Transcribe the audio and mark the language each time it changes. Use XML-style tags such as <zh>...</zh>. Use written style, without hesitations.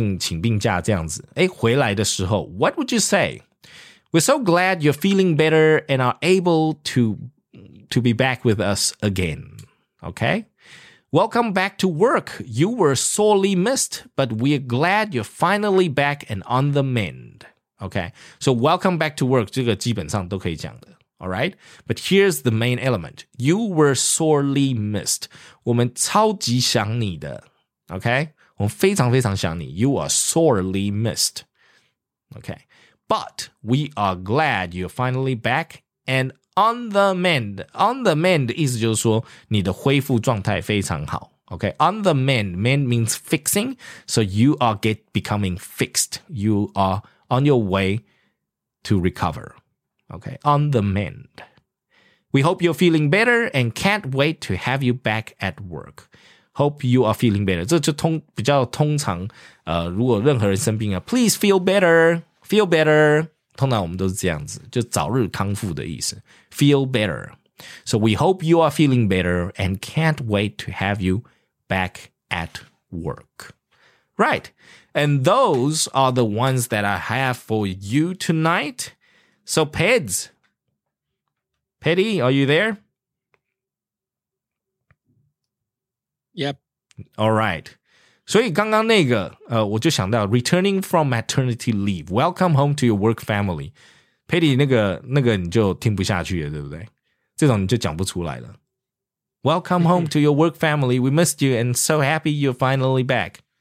<zh>如果有人请长性,就是比较长一点的病假,或者是最近请病假这样子,回来的时候,</zh> <en>what would you say? We're so glad you're feeling better and are able to be back with us again. Okay? Welcome back to work. You were sorely missed, but we're glad you're finally back and on the mend. Okay? So welcome back to work,</en> <zh>这个基本上都可以讲的。</zh> <en>All right, but here's the main element. You were sorely missed.</en> <zh>我们超级想你的。Okay, 我们非常非常想你.</zh> <en>You are sorely missed. Okay, but we are glad you're finally back and on the mend.</en> <zh>On the mend 意思就是说你的恢复状态非常好.</zh> <en>Okay, on the mend. Mend means fixing. So you are becoming fixed. You are on your way to recover. Okay, on the mend. We hope you're feeling better and can't wait to have you back at work. Hope you are feeling better.</en> <zh>这就比较通常,如果任何人生病啊,</zh> <en>please feel better, feel better.</en> <zh>通常我们都是这样子,就早日康复的意思, feel better.</zh> <en>So we hope you are feeling better and can't wait to have you back at work. Right. And those are the ones that I have for you tonight. So, Peds. Petty, are you there? Yep. All right.</en> <zh>所以刚刚那个我就想到</zh> <en>returning from maternity leave. Welcome home to your work family.</en> <zh>Petty, 那个你就听不下去了，对不对？这种你就讲不出来了。</zh> <en>Welcome home to your work family. We missed you and so happy you're finally back.</en>